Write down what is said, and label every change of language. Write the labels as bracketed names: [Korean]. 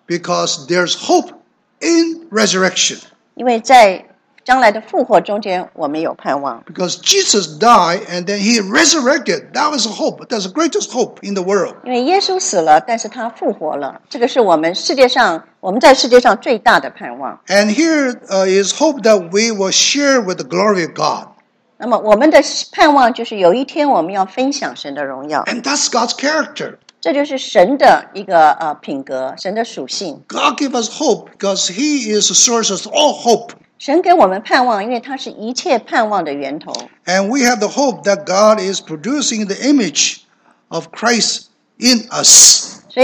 [English] Because there's hope in resurrection. [Chinese] 因为在将来的复活中间，我们有盼望。 [English] Because Jesus died and then he resurrected. That was hope. That's the greatest hope in the world. [Chinese] 因为耶稣死了，但是他复活了。这个是我们在世界上最大的盼望。 [English] And here is hope that we will share with the glory of God. [Chinese] 那么我们的盼望就是有一天我们要分享神的荣�ao。 [English] And that's God's character. [Chinese] 这就是神的一个品格，神的属性。 [English] God gave us hope because he is the source of all hope. [Chinese] 神给我们盼望，因为他是一切盼望的源头。 [English] And we have the hope that God is producing the image of Christ in us.